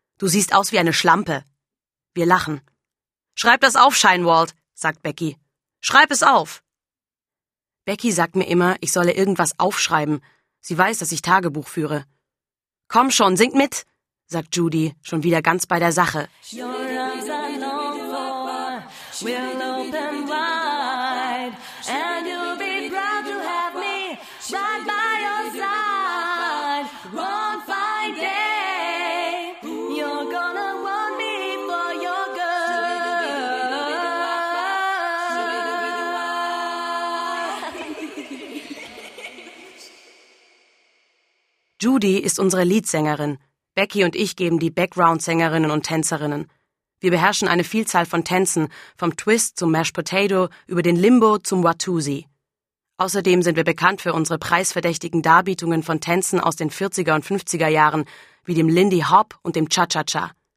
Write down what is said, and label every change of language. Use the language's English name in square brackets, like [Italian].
[German] Du siehst aus wie eine Schlampe. Wir lachen. Schreib das auf, Scheinwald, sagt Becky. Schreib es auf. Becky sagt mir immer, ich solle irgendwas aufschreiben. Sie weiß, dass ich Tagebuch führe. Komm schon, sing mit, sagt Judy, schon wieder ganz bei der Sache. [English] Your arms are long for, we'll open wide, and you'll be proud to have me right by your side. One fine day, you're gonna want me for your girl. [German] Judy ist unsere Leadsängerin. Becky und ich geben die Background-Sängerinnen und Tänzerinnen. Wir beherrschen eine Vielzahl von Tänzen, vom Twist zum Mashed Potato über den Limbo zum Watusi. Außerdem sind wir bekannt für unsere preisverdächtigen Darbietungen von Tänzen aus den 40er und 50er Jahren, wie dem Lindy Hop und dem Cha-Cha-Cha.